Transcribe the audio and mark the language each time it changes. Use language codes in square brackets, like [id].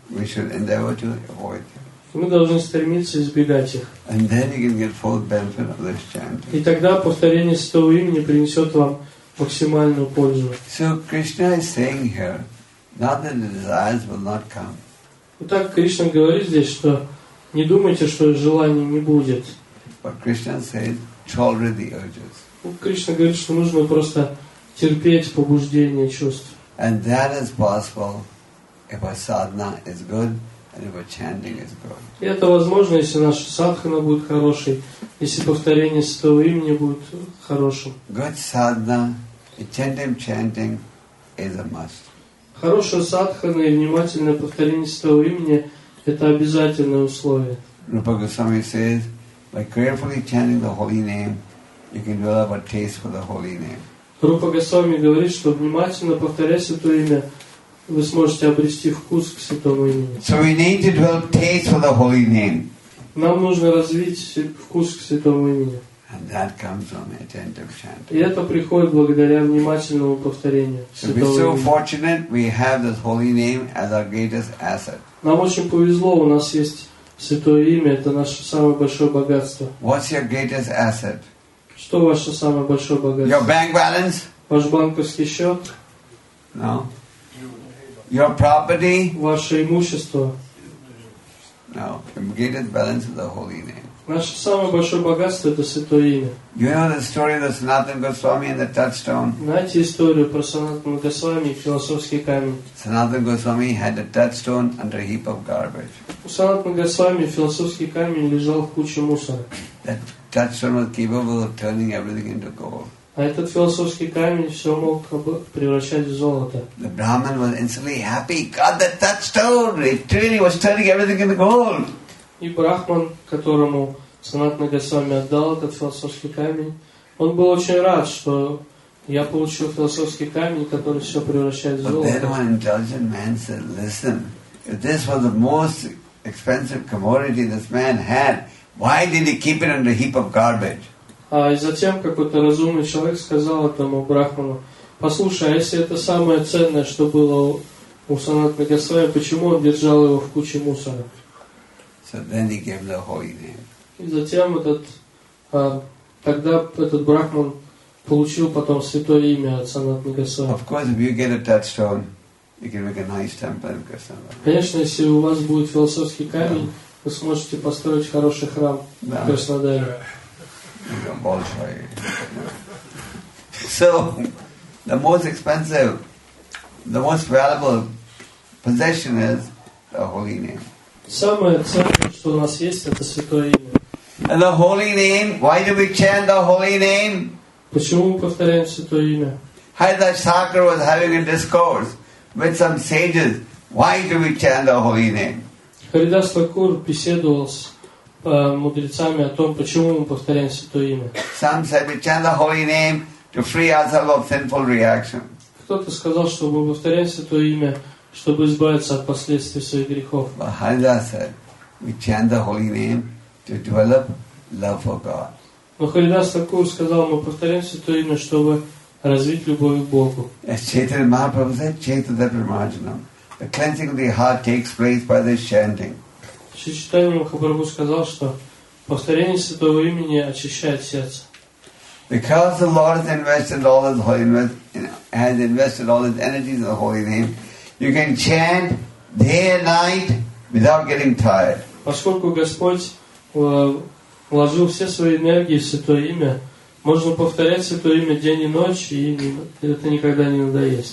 [en] We should endeavor to avoid. [ru] Мы должны стремиться избегать их. [en] And then you can get full benefit of this chanting. [ru] И тогда повторение святого имени принесет вам максимальную пользу. [en] So Krishna is saying here, not that the desires will not come. [ru] Итак, Кришна говорит здесь, что не думайте, что желаний не будет. [en] But Krishna says, tolerate the urges. [ru] Кришна говорит, что нужно просто терпеть побуждение чувств. [en] And that is possible if our sadhana is good and if our chanting is good. [ru] И это возможно, если наша садхана будет хорошей, если повторение святого имени будет хорошим. [en] Good sadhana, attentive chanting is a must. [ru] Хорошая садхана и внимательное повторение святого имени – это обязательное условие. [en] Rupa Goswami says, by carefully chanting the holy name, you can develop a taste for the holy name. [ru] Rupa Goswami говорит, что внимательно повторяя святое имя, вы сможете обрести вкус к святому имени. [en] So we need to develop taste for the holy name. [ru] Нам нужно развить вкус к святому имени. [en] And that comes from attentive chanting. [ru] И это приходит благодаря внимательному повторению святого имени. [en] So we're so fortunate we have this holy name as our greatest asset. [ru] Нам очень повезло, у нас есть святое имя, это наше самое большое богатство. [en] What's your greatest asset? [ru] Что ваше самое большое богатство? [en] Your bank balance? [ru] Ваш банковский счет? [en] No. Your property? [ru] Ваше имущество? [en] No. Your greatest balance is the holy name. [ru] Наше самое большое богатство – это святое имя. [en] You know the story of the Sanatana Goswami and the touchstone? [ru] Знаете историю про Санатана Госвами и философский камень? [en] Sanatana Goswami had a touchstone under a heap of garbage. [ru] У Санатана Госвами философский камень лежал в куче мусора. [en] Touchstone was capable of turning everything into gold. [ru] А этот философский камень все мог превращать в золото. [en] The Brahman was instantly happy. God, the touchstone! It truly was turning everything into gold. [ru] И Брахман, которому Санатана Госвами отдал этот философский камень, он был очень рад, что я получил философский камень, который все превращает в золото. [en] But then one intelligent man said, "Listen, if this was the most expensive commodity this man had, why did he keep it under a heap of garbage?" [ru] А затем какой-то разумный человек сказал этому брахману: "Послушай, если это самое ценное, что было у Санатана Госвами, почему он держал его в куче мусора?" [en] So then he gave the holy name. [ru] И затем этот брахман получил потом святое имя от Санатана Госвами. [en] Of course, if you get a touchstone, you can make a nice temple in Krishna. [ru] Конечно, если у вас будет философский камень, yeah, вы сможете построить хороший храм в Краснодаре. Большой. [en] So, the most expensive, the most valuable possession is the holy name. [ru] Самое ценное, что у нас есть, это святое имя. [en] And the holy name, why do we chant the holy name? [ru] Почему мы повторяем святое имя? [en] Haridas Thakur was having a discourse with some sages. Why do we chant the holy name? [ru] Харидас Такур беседовал с мудрецами о том, почему мы повторяем святое имя. [en] Some said we chant the holy name to free ourselves of sinful reaction. [ru] Кто-то сказал, что мы повторяем святое имя, чтобы избавиться от последствий своих грехов. [en] But Харидас said we chant the holy name to develop love for God. [ru] Но Харидас Такур сказал, мы повторяем святое имя, чтобы развить любовь к Богу. [en] As Chaitanya Mahaprabhu said, Chaitanya Dharmarjanam. The cleansing of the heart takes place by this chanting. [ru] Шри Чайтанья Махапрабху сказал, что повторение святого имени очищает сердце. [en] Because the Lord has invested all his energies in the holy name, You can chant day and night without getting tired. [ru] Поскольку Господь вложил все свои энергии в Святое Имя, можно повторять Святое Имя день и ночь, и это никогда не надоест.